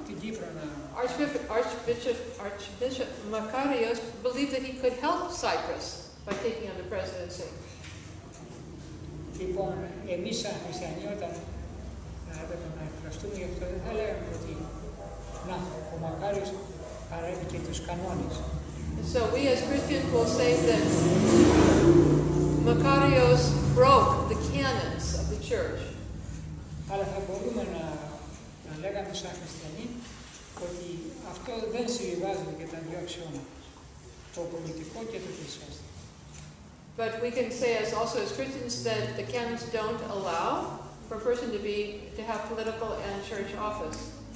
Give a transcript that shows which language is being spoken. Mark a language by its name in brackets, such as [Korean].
[English] Archbishop Makarios believed that he could help Cyprus by taking on the presidency. [Greek] Λοιπόν, εμείς σαν χριστιανοί όταν έπρεπε να εκφραστούμε γι' αυτό δεν θα λέγαμε ότι να, ο Μακάριος παρέβηκε τους κανόνες. [English] So we as Christians will say that Makarios broke the canons of the church. [Greek] Αλλά θα μπορούμε να λέγαμε σαν χριστιανοί ότι αυτό δεν συμβιβάζεται και τα δύο αξιώματα, το πολιτικό και το θρησκευτικό. [English] But we can say as also as Christians that the canons don't allow for a person to be to have political and church office.